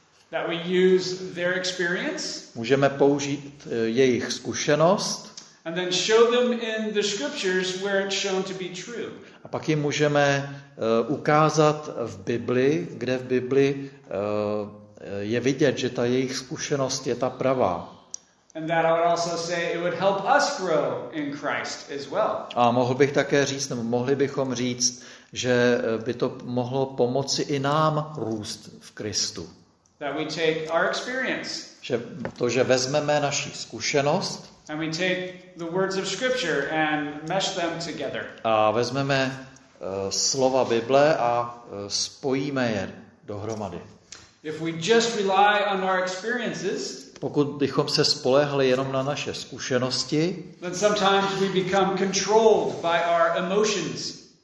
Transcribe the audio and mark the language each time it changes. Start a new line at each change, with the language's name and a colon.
English: That we use their experience.
Czech: Můžeme použít jejich zkušenost.
English: And then show them in the scriptures where it's shown to be true.
Czech: A pak jim můžeme ukázat v Bibli, kde v Bibli je vidět, že ta jejich zkušenost je ta pravá.
English: And that I would also say it would help us grow in Christ as well.
Czech: A mohl bych také říct, nebo mohli bychom říct, že by to mohlo pomoci i nám růst v Kristu.
English: That we take our experience.
Czech: Že vezmeme naši zkušenost.
English: And we take the words of scripture and mesh them together.
Czech: A vezmeme slova Bible a spojíme je dohromady.
English: If we just rely on our experiences,
Czech: pokud bychom se spolehli jenom na naše zkušenosti,
English: then sometimes we become controlled by our emotions.